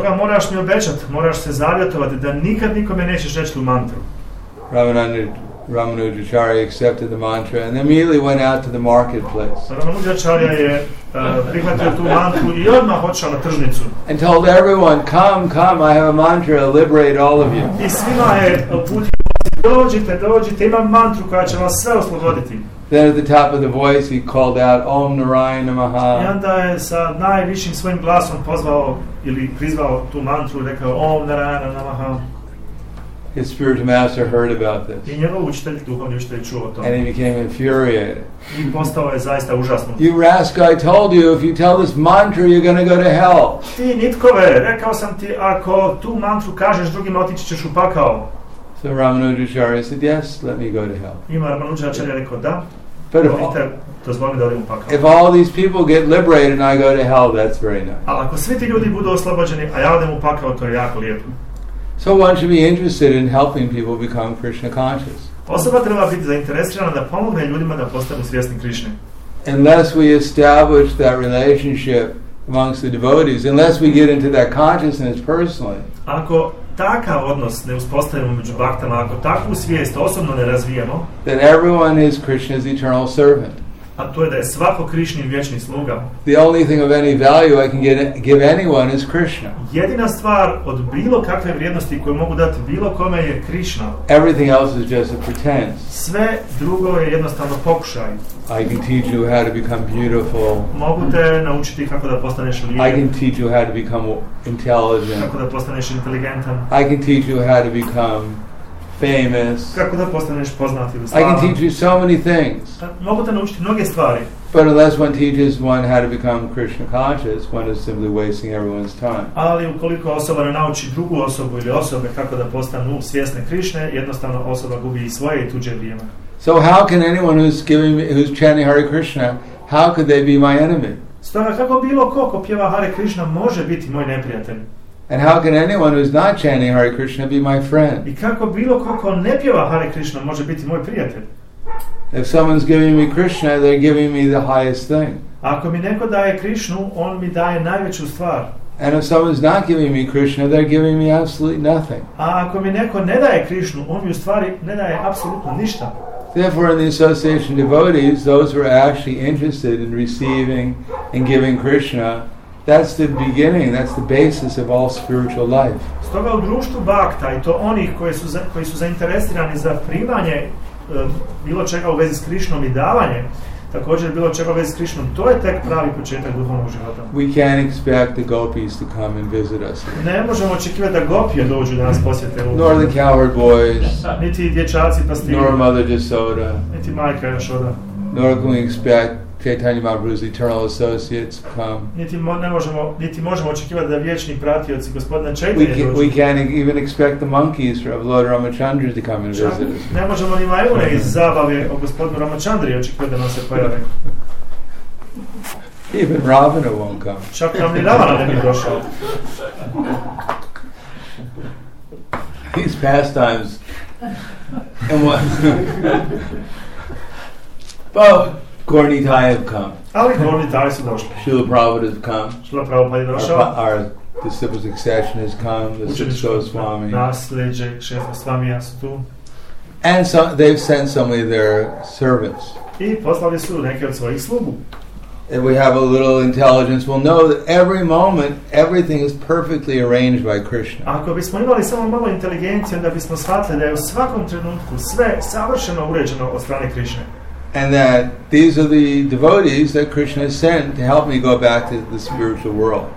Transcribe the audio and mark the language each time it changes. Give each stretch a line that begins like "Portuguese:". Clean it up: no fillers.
Bosnian: Stoga moraš mi obećati, moraš se zavjetovati da nikad nikome nećeš reći tu mantru.
English: Ramanujacharya accepted the mantra and immediately went out to the marketplace.
Bosnian: Ramanujacharya je prihvatio tu mantru i odmah otišao na tržnicu.
English: And told everyone, come, come, I have a mantra, liberate all of you.
Bosnian: I svima je uputio, dođite, dođite, imam mantru koja će vas sve osloboditi.
English: Then at the top of the voice he called out, Om Narayana Maha.
Bosnian: I onda je sa najvišim svojim glasom pozvao ili prizvao tu mantru, rekao Om Narayana Maha.
English: His spiritual master heard about this.
Bosnian: I njegov učitelj, duhovni učitelj, čuo o tome.
English: And he became infuriated.
Bosnian: I postao je zaista užasno.
English: You rascal, I told you, if you tell this mantra, you're going to go to hell.
Bosnian: Ti nitkove, rekao sam ti, ako tu mantru kažeš drugim, otići ćeš u pakao.
English: So Ramanujacharya said, yes, let me go to hell.
Bosnian: Ima Ramanujacharya rekao, da. But
English: if all these people get liberated and I go to hell, that's very nice.
Bosnian: Ali ako svi ti ljudi budu oslobođeni, a ja odem u pakao, to je jako lijepo.
English: So one should be interested in helping people become Krishna conscious.
Bosnian: Osoba treba biti zainteresirana da pomogne ljudima da postanu svjesni Krishne.
English: Unless we establish that relationship amongst the devotees, unless we get into that consciousness personally.
Bosnian: Ako takav odnos ne uspostavimo među bhaktama, ako takvu svijest osobno ne razvijemo,
English: then everyone is Krishna's eternal servant.
Bosnian: A to je da je svako Krišnin vječni sluga.
English: The only thing of any value I can give anyone is Krishna.
Bosnian: Jedina stvar od bilo kakve vrijednosti koju mogu dati bilo kome je Krishna.
English: Everything else is just a pretense.
Bosnian: Sve drugo je jednostavno pokušaj.
English: I can teach you how to become beautiful.
Bosnian: Mogu te naučiti kako da postaneš lijep.
English: I can teach you how to become intelligent.
Bosnian: Kako da postaneš inteligentan.
English: I can teach you how to become famous.
Bosnian: Kako da postaneš poznat ili slavan.
English: I can teach you so many things.
Bosnian: Mogu te naučiti mnoge stvari.
English: But unless one teaches one how to become Krishna conscious, one is simply wasting everyone's time.
Bosnian: Ali ukoliko osoba ne nauči drugu osobu ili osobe kako da postanu svjesne Krishne, jednostavno osoba gubi i svoje i tuđe vrijeme.
English: So how can anyone who's chanting Hare Krishna, how could they be my enemy?
Bosnian: Stoga kako bilo ko ko pjeva Hare Krishna može biti moj neprijatelj?
English: And how can anyone who is not chanting Hare Krishna be my friend?
Bosnian: I kako bilo ko ko ne pjeva Hare Krishna može biti moj prijatelj?
English: If someone's giving me Krishna, they're giving me the highest thing.
Bosnian: Ako mi neko daje Krishnu, on mi daje najveću stvar.
English: And if someone's not giving me Krishna, they're giving me absolutely nothing.
Bosnian: A ako mi neko ne daje Krishnu, on mi u stvari ne daje apsolutno ništa.
English: Therefore, in the association of devotees, those who are actually interested in receiving and giving Krishna, that's the beginning, that's the basis of all spiritual life.
Bosnian: Stoga u društvu bhakta i to onih koji su zainteresirani za primanje bilo čega u vezi s Krišnom i davanje, također bilo čega u vezi s Krišnom, to je tek pravi početak duhovnog života.
English: We can't expect the gopis to come and visit us.
Bosnian: Ne možemo očekivati da gopije dođu da nas posjete.
English: Nor the cowherd boys.
Bosnian: Niti dječaci pastiri.
English: Nor Mother Jasoda.
Bosnian: Niti majka Jasoda.
English: Nor can we expect Chaitanya Mahaprabhu's eternal associates come.
Bosnian: Niti možemo očekivati da vječni pratioci gospodina Chaitanya dođu.
English: We can't even expect the monkeys of Lord Ramachandra to come and visit us.
Bosnian: Ne možemo ni majmune iz zabave o gospodinu Ramachandri očekivati da nam se pojave.
English: Even Ravana won't come.
Bosnian: Čak nam ni Ravana ne bi došao.
English: These pastimes. And what? But Gornitai have come.
Bosnian: Ali Gornitai su došli.
English: Srila Prabhupada has come.
Bosnian: Srila Prabhupada je došao.
English: Our disciple succession has come. The Sixth Goswami.
Bosnian: Nasljeđe Šest Goswamija su tu.
English: And so they've sent some of their servants.
Bosnian: I poslali su neke od svojih slugu.
English: If we have a little intelligence, we'll know that every moment, everything is perfectly arranged by Krishna.
Bosnian: Ako bismo imali samo malo inteligencije, onda bismo shvatili da je u svakom trenutku sve savršeno uređeno od strane Krishne.
English: And that these are the devotees that Krishna sent to help me go back to the spiritual world.